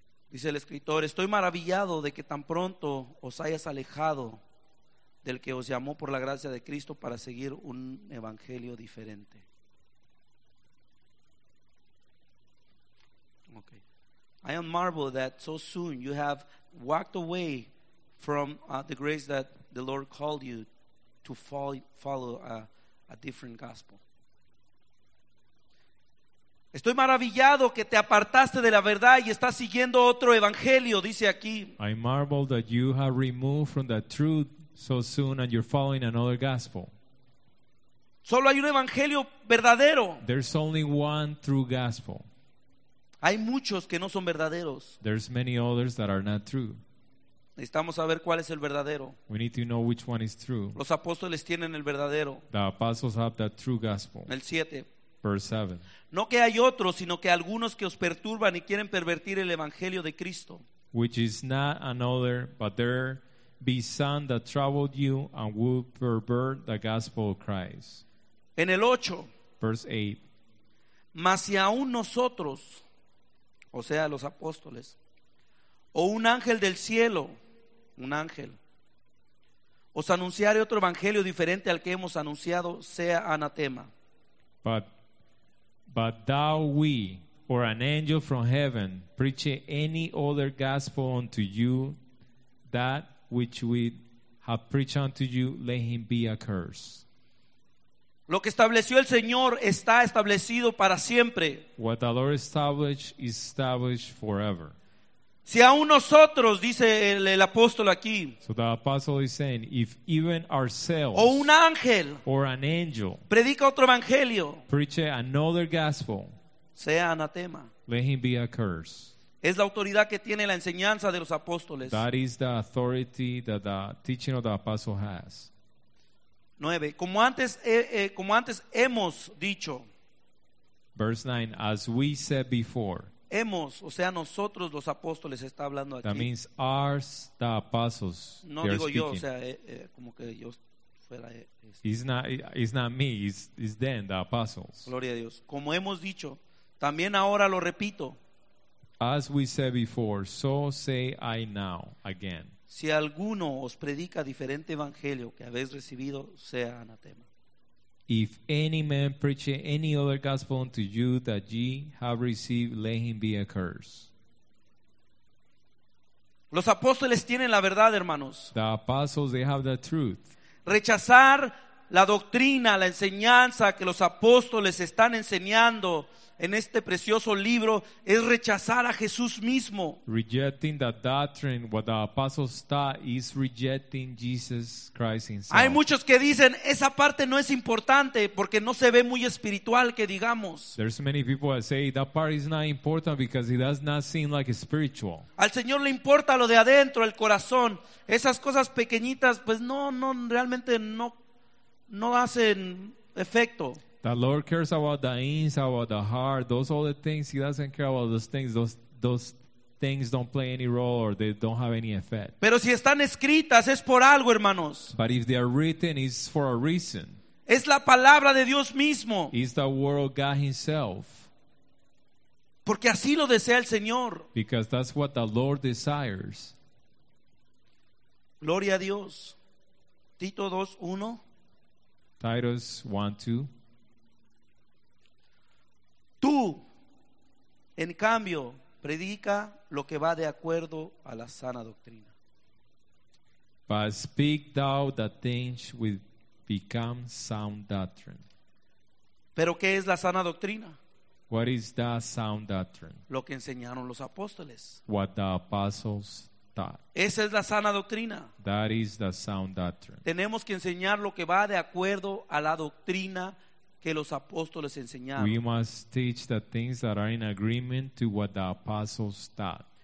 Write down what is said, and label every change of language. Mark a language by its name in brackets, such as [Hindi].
[Spanish] Dice el escritor: estoy maravillado de que tan pronto os hayas alejado del que os llamó por la gracia de Cristo para seguir un evangelio diferente. [English] Okay. I am marveled that so soon you have walked away from the grace that the Lord called you to follow a different gospel. [Spanish] Estoy maravillado que te apartaste de la verdad y estás siguiendo otro evangelio, dice aquí. [English] I marvel that you have removed from the truth so soon and you're following another gospel. [Spanish] Solo hay un evangelio verdadero. [English] There's only one true gospel. [Spanish] Hay muchos que no son verdaderos. [English] There's many others that are not true. [Spanish] Necesitamos saber cuál es el verdadero. [English] We need to know which one is true. [Spanish] Los apóstoles tienen el verdadero. [English] The apostles have that true gospel. [Spanish] El 7. [English] Verse 7. [Spanish] No que hay otros, sino que algunos que os perturban y quieren pervertir el evangelio de Cristo. [English] Which is not another, but there be some that troubled you and would pervert the gospel of Christ. [Spanish] En el 8. [English] Verse 8. [Spanish] Mas si aún nosotros, o sea, los apóstoles, o un ángel del cielo, un ángel, os anunciare otro evangelio diferente al que hemos anunciado, sea anatema. [English] But thou we, or an angel from heaven, preach any other gospel unto you, that which we have preached unto you, let him be accursed. [Spanish] Lo que estableció el Señor está establecido para siempre. [English] What the Lord established is established forever. [Spanish] Si aún nosotros, dice el apóstol aquí, [English] so the apostle is saying, if even ourselves, [Spanish] o un ángel, [English] or an angel, [Spanish] predica otro evangelio, [English] preach another gospel, [Spanish] sea anatema, [English] let him be a curse. [Spanish] Es la autoridad que tiene la enseñanza de los apóstoles. [English] That is the authority that the teaching of the apostle has. [Spanish] 9. Como antes hemos dicho. [English] Verse 9. As we said before. [Spanish] Hemos, o sea, nosotros los apóstoles está hablando aquí. [English] That means ours, the apostles. [Spanish] No digo [English] speaking. [Spanish] Yo, o sea, como que yo. fuera [English] it's not me, it's them, the apostles. [Spanish] Gloria a Dios. Como hemos dicho, también ahora lo repito. [English] As we said before, so say I now again. [Spanish] Si alguno os predica diferente evangelio que habéis recibido, sea anatema. [English] If any man preach any other gospel unto you that ye have received, let him be accursed. [Spanish] Los apóstoles tienen la verdad, hermanos. [English] The apostles, they have the truth. [Spanish] Rechazar la doctrina, la enseñanza que los apóstoles están enseñando en este precioso libro es rechazar a Jesús mismo. [English] Rejecting the doctrine, what the apostles taught, is rejecting Jesus Christ himself. [Spanish] Hay muchos que dicen esa parte no es importante porque no se ve muy espiritual que digamos. [English] There's many people that say that part is not important because it does not seem like spiritual. [Spanish] Al Señor le importa lo de adentro, el corazón. Esas cosas pequeñitas, pues no realmente hacen efecto. [English] The Lord cares about the inside, about the heart, those other things. He doesn't care about those things. Those things don't play any role or they don't have any effect. [Spanish] Pero si están escritas, es por algo, hermanos. [English] But if they are written, it's for a reason. [Spanish] Es la palabra de Dios mismo. [English] It's the word of God himself. [Spanish] Porque así lo desea el Señor. [English] Because that's what the Lord desires. [Spanish] Gloria a Dios. Tito 2:1. [English] Titus 1:2. [Spanish] Tú, en cambio, predica lo que va de acuerdo a la sana doctrina. [English] But speak thou the things which become sound doctrine. [Spanish] ¿Pero qué es la sana doctrina? [English] What is the sound doctrine? [Spanish] Lo que enseñaron los apóstoles. [English] What the apostles taught. [Spanish] Esa es la sana doctrina. [English] That is the sound doctrine. [Spanish] Tenemos que enseñar lo que va de acuerdo a la doctrina que los apóstoles enseñaron. [English] We must teach the things that are in agreement to what the apostles taught.